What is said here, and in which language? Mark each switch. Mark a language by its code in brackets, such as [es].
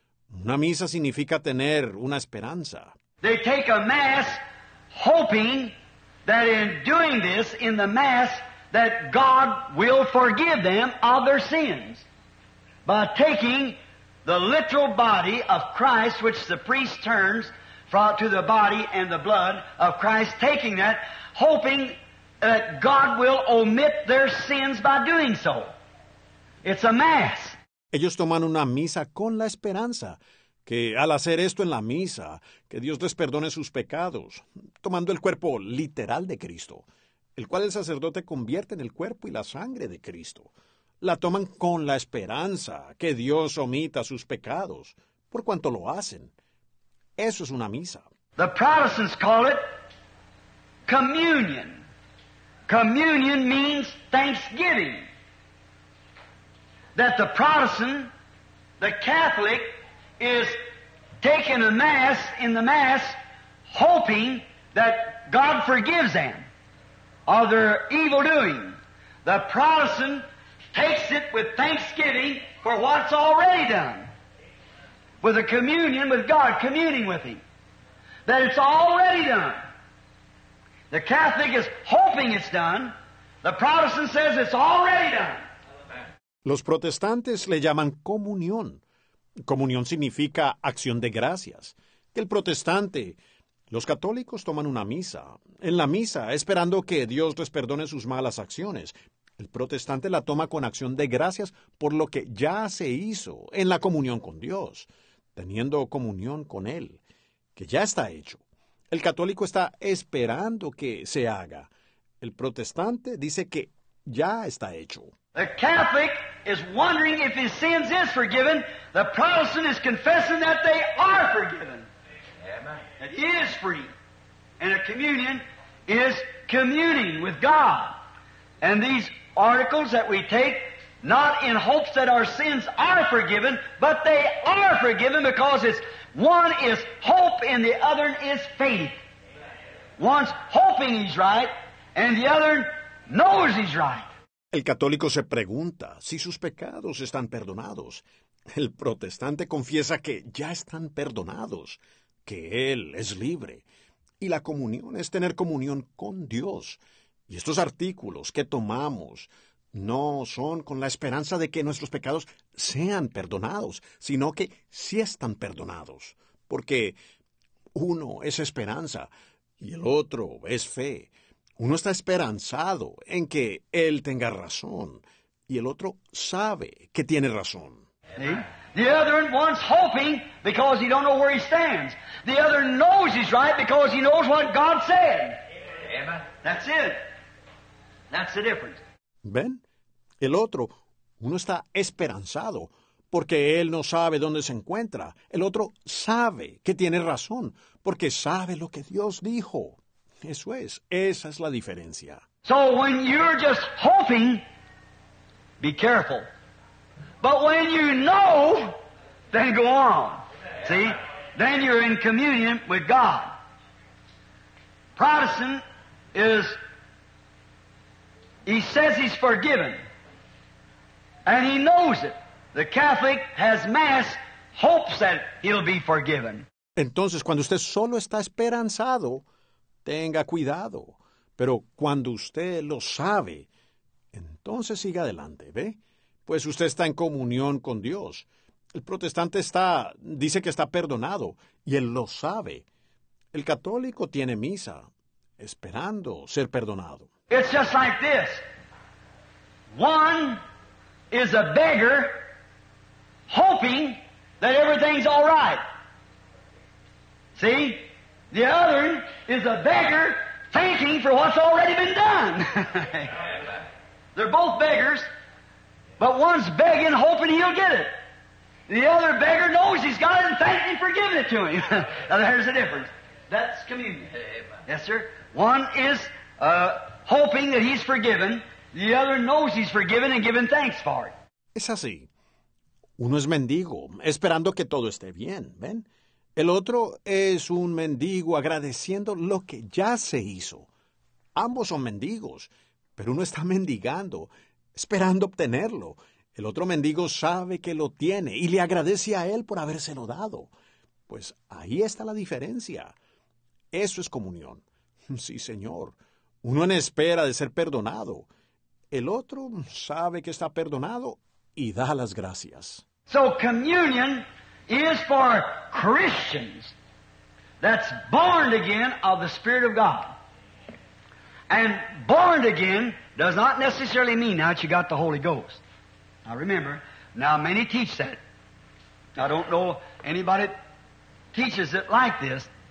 [es] Una misa significa tener una esperanza. [en] They take a mass hoping that in doing this in the mass that God will forgive them of their sins. By taking the literal body of Christ, which the priest turns to the body and the blood of Christ, taking that, hoping that God will omit their sins by doing so. It's a mass. [es] Ellos toman una misa con la esperanza que al hacer esto en la misa, que Dios les perdone sus pecados, tomando el cuerpo literal de Cristo, el cual el sacerdote convierte en el cuerpo y la sangre de Cristo. La toman con la esperanza que Dios omita sus pecados, por cuanto lo hacen. Eso es una misa. [en] The Protestants call it communion. Communion means thanksgiving. That the Protestant, the Catholic, is taking a mass in the mass, hoping that God forgives them of their evil doing. The Protestant takes it with thanksgiving for what's already done, with a communion with God, communing with Him, that it's already done. The Catholic is hoping it's done. The Protestant says it's already done. [es] Los protestantes le llaman comunión. Comunión significa acción de gracias. El protestante, los católicos toman una misa, en la misa, esperando que Dios les perdone sus malas acciones. El protestante la toma con acción de gracias por lo que ya se hizo en la comunión con Dios, teniendo comunión con Él, que ya está hecho. El católico está esperando que se haga. El protestante dice que ya está hecho. [en] The Catholic is wondering if his sins is forgiven. The Protestant is confessing that they are forgiven. Amen. That he is free. And a communion is communing with God. And these articles that we take, not in hopes that our sins are forgiven, but they are forgiven because it's one is hope and the other is faith. One's hoping he's right and the other knows he's right. [es] El católico se pregunta si sus pecados están perdonados. El protestante confiesa que ya están perdonados, que él es libre. Y la comunión es tener comunión con Dios. Y estos artículos que tomamos no son con la esperanza de que nuestros pecados sean perdonados, sino que sí están perdonados. Porque uno es esperanza y el otro es fe. Uno está esperanzado en que él tenga razón, y el otro sabe que tiene razón. ¿Sí? [en] The other one's hoping because he don't know where he stands. The other knows he's right because he knows what God said. That's it. That's the difference. [es] ¿Ven? El otro, uno está esperanzado porque él no sabe dónde se encuentra. El otro sabe que tiene razón porque sabe lo que Dios dijo. Eso es. Esa es la diferencia. [en] So when you're just hoping, be careful. But when you know, then go on. See? Then you're in communion with God. Protestant is, he says he's forgiven. And he knows it. The Catholic has mass, hopes that he'll be forgiven. [es] Entonces, cuando usted solo está esperanzado, tenga cuidado. Pero cuando usted lo sabe, entonces siga adelante, ¿ve? Pues usted está en comunión con Dios. El protestante está, dice que está perdonado, y él lo sabe. El católico tiene misa, esperando ser perdonado. [en] It's just like this. One is a beggar hoping that everything's all right. See? The other is a beggar thanking for what's already been done. They're both beggars. But one's begging, hoping he'll get it. The other beggar knows he's got it and thanking him for giving it to him. Now, there's the difference. That's communion. Amen. Yes, sir? One is hoping that he's forgiven. The other knows he's forgiven and giving thanks for it. [es] Es así. Uno es mendigo, esperando que todo esté bien, ¿ven? El otro es un mendigo agradeciendo lo que ya se hizo. Ambos son mendigos, pero uno está mendigando, esperando obtenerlo. El otro mendigo sabe que lo tiene y le agradece a él por habérselo dado. Pues ahí está la diferencia. Eso es comunión. Sí, señor. Uno en espera de ser perdonado. El otro sabe que está perdonado y da las gracias. [en] So communion is for Christians that's born again of the Spirit of God. And born again does not necessarily mean now that you got the Holy Ghost. Now remember, now many teach that. I don't know anybody teaches it like this.